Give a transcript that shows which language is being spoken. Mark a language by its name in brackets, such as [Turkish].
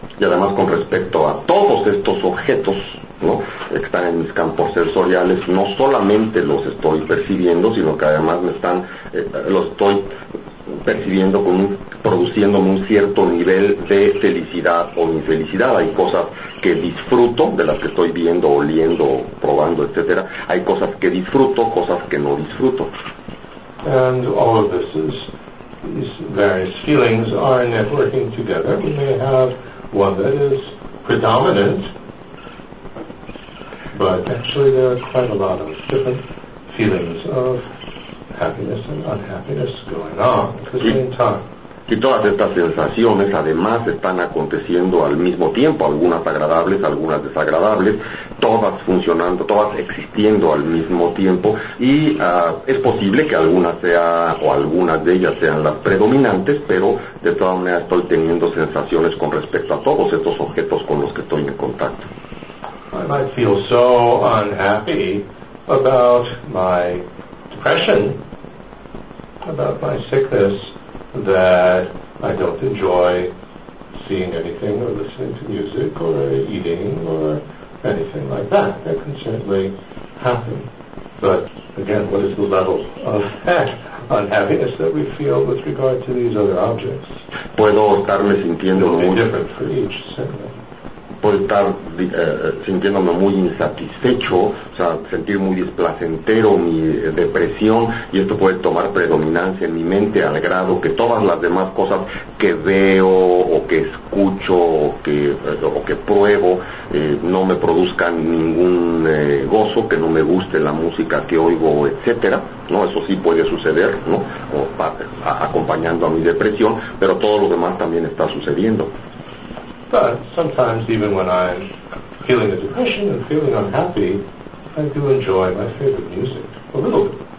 [Spanish] Y además con respecto a todos estos objetos, ¿no?, que están en mis campos sensoriales, no solamente los estoy percibiendo, sino que además me están, los estoy percibiendo con un, produciéndome un cierto nivel de felicidad o infelicidad. Hay cosas que disfruto, de las que estoy viendo, oliendo, probando, etcétera. Hay cosas que disfruto, cosas que no disfruto. [English] And all of this is, these various feelings are networking together. We may have one that is predominant, but actually there are quite a lot of different feelings of happiness and unhappiness going on at the same time. [Spanish] Y todas estas sensaciones además están aconteciendo al mismo tiempo, algunas agradables, algunas desagradables, todas funcionando, todas existiendo al mismo tiempo, y es posible que algunas sea, o algunas de ellas sean las predominantes, pero de todas maneras estoy teniendo sensaciones con respecto a todos estos objetos con los que estoy en contacto. [English] I might feel so unhappy about my depression, about my sickness, that I don't enjoy seeing anything or listening to music or eating or anything like that. That can certainly happen. But again, what is the level of that unhappiness that we feel with regard to these other objects? [Spanish] Puedo estarme sintiendo muy... [English] It'll be different for each, certainly. [Spanish] Puedo estar sintiéndome muy insatisfecho, o sea, sentir muy displacentero mi depresión, y esto puede tomar predominancia en mi mente al grado que todas las demás cosas que veo o que escucho o que pruebo no me produzcan ningún gozo, que no me guste la música que oigo, etcétera, ¿no? Eso sí puede suceder, ¿no? Acompañando a mi depresión, pero todo lo demás también está sucediendo. [English] But sometimes even when I'm feeling a depression and feeling unhappy, I do enjoy my favorite music a little bit.